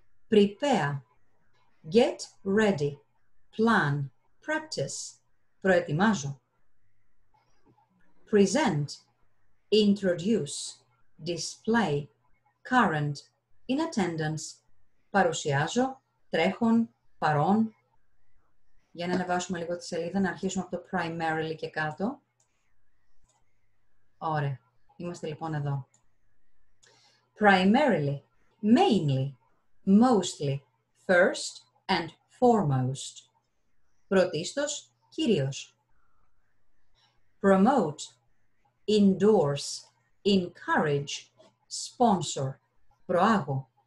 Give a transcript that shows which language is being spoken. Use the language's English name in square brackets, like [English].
[English] Prepare, get ready, plan, practice, [Greek] προετοιμάζω. [English] Present, introduce, display, current, in attendance, [Greek] παρουσιάζω, τρέχον, παρών. Για να ανεβάσουμε λίγο τη σελίδα, να αρχίσουμε από το primarily και κάτω. Ωραία. Είμαστε λοιπόν εδώ. [English] Primarily, mainly, mostly, first and foremost. [Greek] Πρωτίστως, κυρίως. [English] Promote, endorse, encourage, sponsor, [Greek] προάγω.